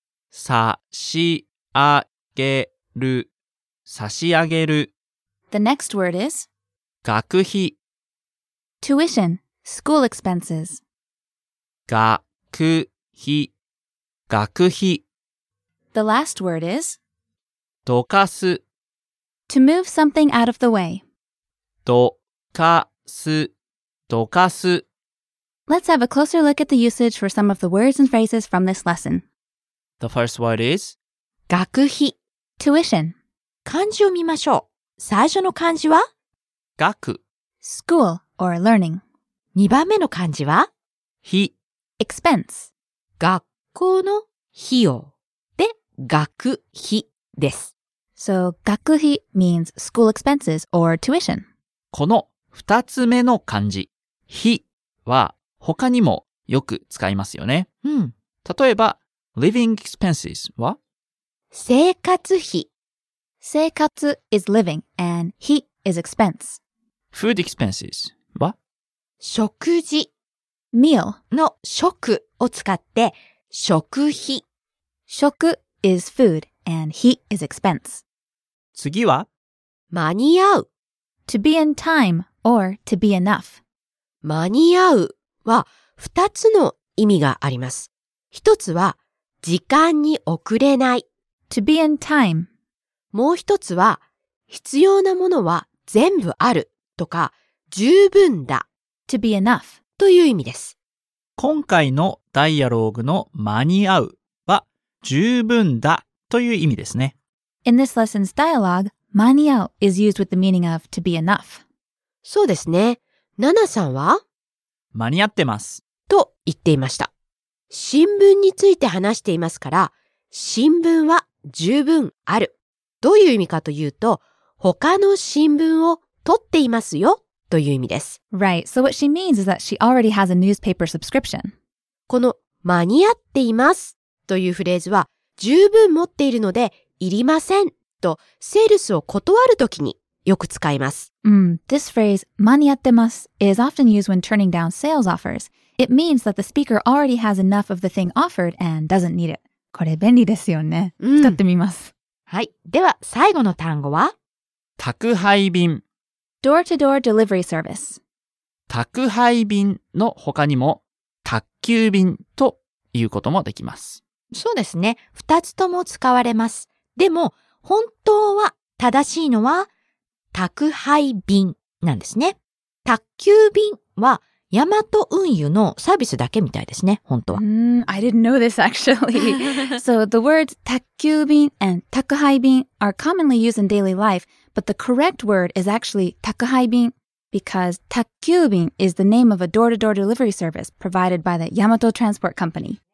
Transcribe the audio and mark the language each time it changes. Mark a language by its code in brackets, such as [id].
[ja] 差し上げる差し上げる [en] The next word is [ja] 学費 [en] Tuition, school expenses [ja] 学費学費 [en] The last word is [ja] どかす [en] To move something out of the way [ja] どかすどかす [en] Let's have a closer look at the usage for some of the words and phrases from this lesson. The first word is [ja] 学費 [en] Tuition [ja] 漢字を見ましょう。最初の漢字は学 [en] School or learning [ja] 二番目の漢字は費 [en] Expense [ja] 学校の費用で学費です。 [en] So 学費 means school expenses or tuition. [ja] この二つ目の漢字費は他にもよく使いますよね。例えば、 [en] living expenses [ja] は生活費。 [en] 生活 is living and 費 is expense. food expenses [ja] は食事。 [en] meal [ja] の食を使って食費。 [en] 食 is food and 費 is expense. [ja] 次は間に合う。 [en] to be in time or to be enough. [ja] 間に合う。は、二つの意味があります。一つは、時間に遅れない。 [en] to be in time. [ja] もう一つは、必要なものは全部あるとか、十分だ。 [en] to be enough. [ja] という意味です。今回のダイアローグの間に合うは、十分だという意味ですね。 [en] In this lesson's dialogue, 間に合う is used with the meaning of to be enough. [ja] そうですね。ナナさんは間に合ってます。と言っていました。新聞について話していますから、新聞は十分ある。どういう意味かというと、他の新聞を取っていますよ、という意味です。 [en] Right. So what she means is that she already has a newspaper subscription. [ja] この間に合っていますというフレーズは、十分持っているので、いりませんとセールスを断るときに、よく使います。 [en] This phrase, 間に合ってます is often used when turning down sales offers. It means that the speaker already has enough of the thing offered and doesn't need it. [ja] これ便利ですよね。使ってみます。はい。では、最後の単語は宅配便。 Door-to-door delivery service. 宅配便の他にも、宅急便ということもできます。そうですね。二つとも使われます。でも、本当は正しいのは、宅配便なんですね。宅急便は、ヤマト運輸のサービスだけみたいですね、本当は。 [en] I didn't know this actually. So the words 宅急便 and 宅配便 are commonly used in daily life, but the correct word is actually 宅配便 because 宅急便 is the name of a door-to-door delivery service provided by the Yamato Transport Company.